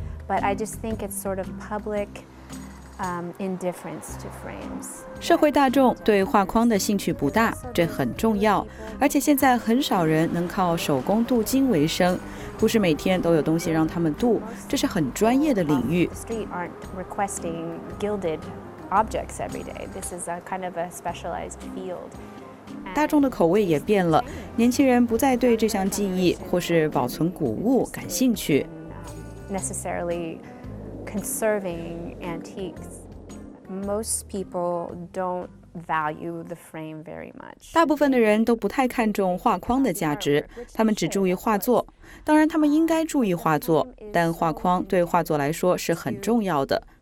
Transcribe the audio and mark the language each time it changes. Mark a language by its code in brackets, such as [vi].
[en] I just think it's sort of public indifference to frames. [zh] 社会大众对画框的兴趣不大，这很重要。而且现在很少人能靠手工镀金为生，不是每天都有东西让他们镀，这是很专业的领域。 [en] Street aren't requesting gilded objects every day. This is a kind of a specialized field. [zh] 大众的口味也变了，年轻人不再对这项技艺或是保存古物感兴趣。 [en] Necessarily conserving antiques. Most people don't value the frame very much. [zh] 大部分的人都不太看重画框的价值，他们只注意画作。当然，他们应该注意画作，但画框对画作来说是很重要的。